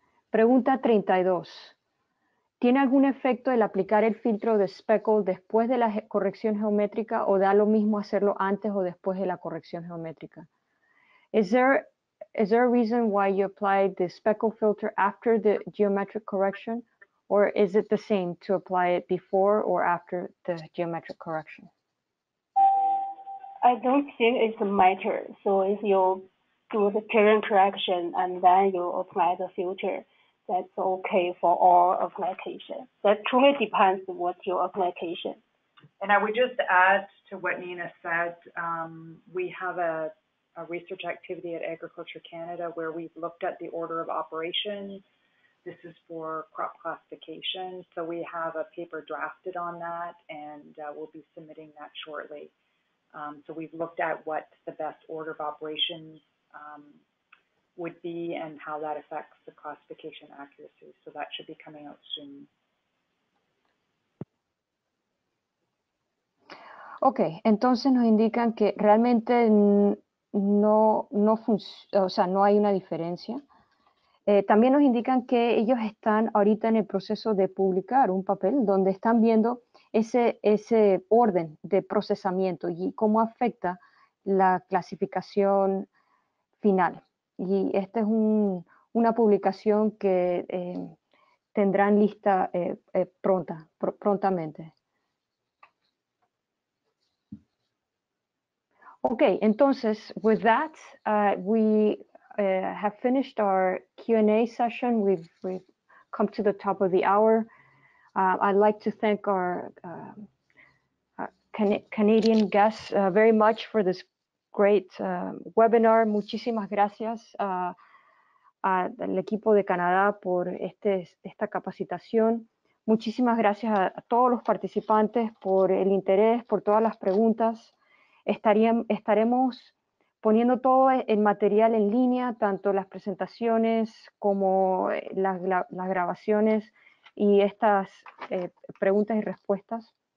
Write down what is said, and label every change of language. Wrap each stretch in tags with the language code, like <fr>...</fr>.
<es>Pregunta 32. ¿Tiene algún efecto el aplicar el filtro de Speckle después de la corrección geométrica, o da lo mismo hacerlo antes o después de la corrección geométrica?</es> <en>Is there a reason why you apply the speckle filter after the geometric correction, or is it the same to apply it before or after the geometric correction? I don't think it's a matter. So if you do the terrain correction and then you apply the filter, that's okay for all applications. That truly depends on what your application. And I would just add to what Nina said, we have a research activity at Agriculture Canada where we've looked at the order of operations. This is for crop classification. So we have a paper drafted on that, and we'll be submitting that shortly. So we've looked at what the best order of operations would be and how that affects the classification accuracy. So that should be coming out soon.</en> <es>Okay, entonces nos indican que realmente no hay una diferencia. También nos indican que ellos están ahorita en el proceso de publicar un papel donde están viendo ese orden de procesamiento y cómo afecta la clasificación final. Y esta es una publicación que tendrán lista prontamente.</es> <en>Okay, entonces, with that, we have finished our Q&A session. We've come to the top of the hour. I'd like to thank our Canadian guests very much for this great webinar.</en> <es>Muchísimas gracias al equipo de Canadá por esta capacitación. Muchísimas gracias a todos los participantes por el interés, por todas las preguntas. Estaremos poniendo todo el material en línea, tanto las presentaciones como las grabaciones y estas preguntas y respuestas.</es>